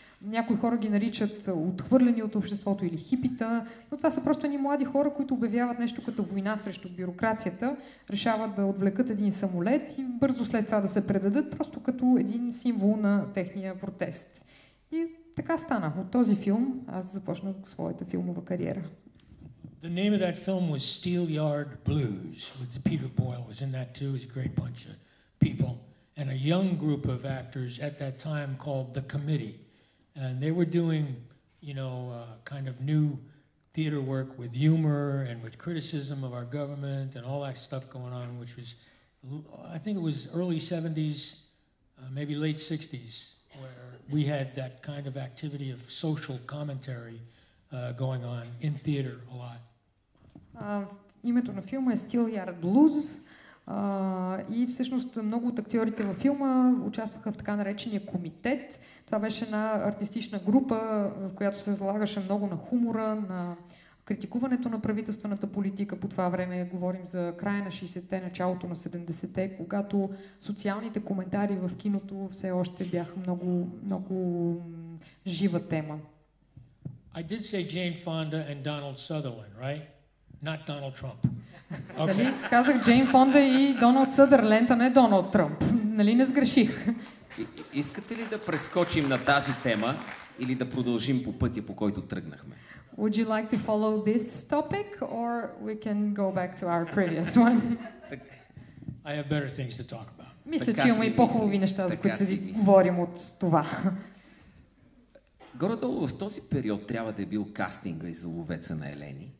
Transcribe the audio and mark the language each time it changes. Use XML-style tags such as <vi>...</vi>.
<bg>Някои хора ги наричат отхвърлени от обществото или хипита, но това са просто едни млади хора, които обявяват нещо като война срещу бюрокрацията, решават да отвлекат един самолет и бързо след това да се предадат, просто като един символ на техния протест. И така стана. От този филм аз започнах своята филмова кариера.</bg> <en>The name of that film was Steel Yard Blues, with Peter Boyle was in that too, he's a great bunch of people, and a young group of actors at that time called The Committee. And they were doing, you know, kind of new theater work with humor and with criticism of our government and all that stuff going on, which was, I think it was early 70s, maybe late 60s, where we had that kind of activity of social commentary going on in theater a lot.</en> <bg>Името на филма е Steel Yard Blues и всъщност много от актьорите във филма участваха в така наречения комитет. Това беше една артистична група, в която се залагаше много на хумора, на критикуването на правителствената политика. По това време говорим за края на 60-те, началото на 70-те, когато социалните коментари в киното все още бяха много, много жива тема.</bg> <en>I did say Jane Fonda and Donald Sutherland, right? Not Donald Trump.</en> <bg>Нали, казах Джейн Фонда и Доналд Съдърленд, а не Доналд Тръмп. Нали, не сгреших. Искате ли да прескочим на тази тема или да продължим по пътя, по който тръгнахме?</bg> <en>Would you like to follow this topic or we can go back to our previous one? I have better things to talk about.</en> <bg>Мисля, че имаме и по-хубави неща, за които се говорим от това. Горе-долу в този период трябва да е бил кастинга и за Ловеца на Елени.</bg>